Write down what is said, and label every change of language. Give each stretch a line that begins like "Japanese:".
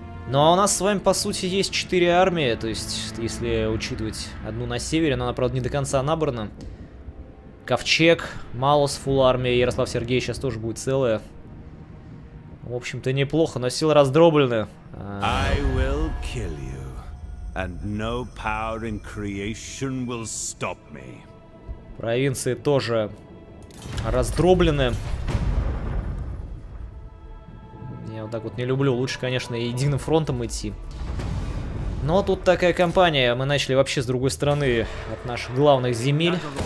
Russian: Ну а у нас с вами, по сути, есть 4 армии. То есть, если учитывать одну на севере, но она, правда, не до конца набрана. Ковчег, Малос, фулл армия, Ярослав Сергеевич сейчас тоже будет целая. В общем-то, неплохо, но силы раздроблены.
English: I will kill you, and no power in creation will stop me.
Russian: Провинции тоже раздроблены. Я вот так вот не люблю. Лучше, конечно, единым фронтом идти. Но тут такая кампания. Мы начали вообще с другой стороны от наших главных земель.